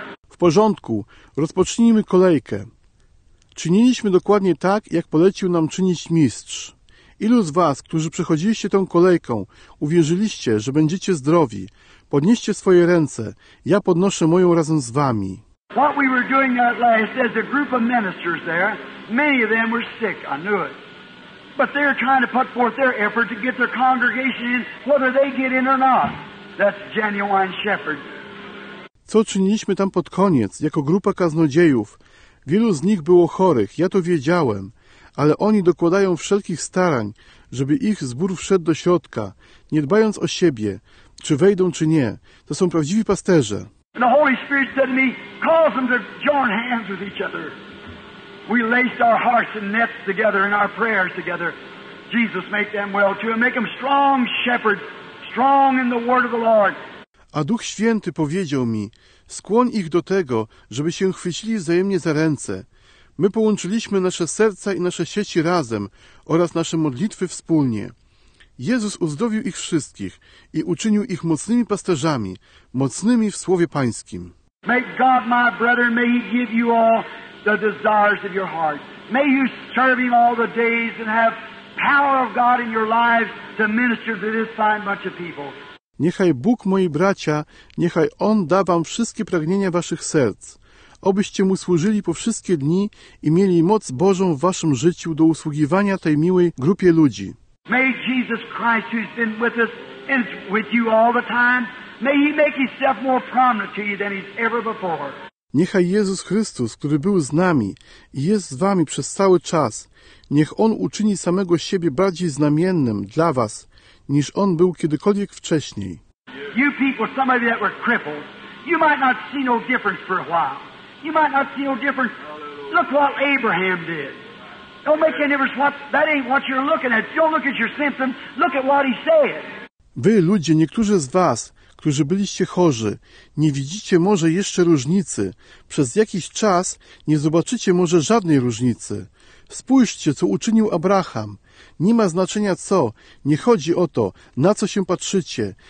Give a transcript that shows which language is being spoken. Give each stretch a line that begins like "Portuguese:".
Polish: W porządku, rozpocznijmy kolejkę. Czyniliśmy dokładnie tak, jak polecił nam czynić mistrz. Ilu z was, którzy przechodziliście tą kolejką, uwierzyliście, że będziecie zdrowi? Podnieście swoje ręce, ja podnoszę moją razem z wami.
English: What we were doing that last is a group of ministers there. Many of them were sick, I knew it. But they're trying to put forth their effort to get their congregation in, whether they get in or not. That's genuine shepherd.
Polish: Co czyniliśmy tam pod koniec, jako grupa kaznodziejów? Wielu z nich było chorych, ja to wiedziałem, ale oni dokładają wszelkich starań, żeby ich zbór wszedł do środka, nie dbając o siebie, czy wejdą, czy nie. To są prawdziwi pasterze.
English: And the Holy Spirit said to me, cause them to join hands with each other. We laced our hearts and nets together and our prayers together. Jesus, make them well too, and make them strong shepherds, strong in the word of the Lord.
Polish: A Duch Święty powiedział mi, skłoń ich do tego, żeby się chwycili wzajemnie za ręce. My połączyliśmy nasze serca i nasze sieci razem oraz nasze modlitwy wspólnie. Jezus uzdrowił ich wszystkich i uczynił ich mocnymi pasterzami, mocnymi w Słowie Pańskim.
English: May God, my brethren, may He give you all the desires of your heart. May you serve Him all the days and have power of God in your lives to minister to this fine bunch of people.
Polish: Niechaj Bóg, moi bracia, niechaj On da wam wszystkie pragnienia waszych serc, abyście Mu służyli po wszystkie dni i mieli moc Bożą w waszym życiu do usługiwania tej miłej grupie ludzi.
English: May Jesus Christ, who's been with us and is with you all the time, may He make Himself more prominent to you than He's ever before.
Polish: Niechaj Jezus Chrystus, który był z nami i jest z wami przez cały czas, niech On uczyni samego siebie bardziej znamiennym dla was, niż on był kiedykolwiek wcześniej.
English: You people, some of you that were crippled, you might not see no difference for a while. You might not see no difference. Look what Abraham did. Don't make any difference. That ain't what you're looking at. Don't look at your symptoms. Look at what he said.
Polish: Wy, ludzie, niektórzy z was, którzy byliście chorzy, nie widzicie może jeszcze różnicy. Przez jakiś czas nie zobaczycie może żadnej różnicy. Spójrzcie, co uczynił Abraham. Nie ma znaczenia co, nie chodzi o to, na co się patrzycie.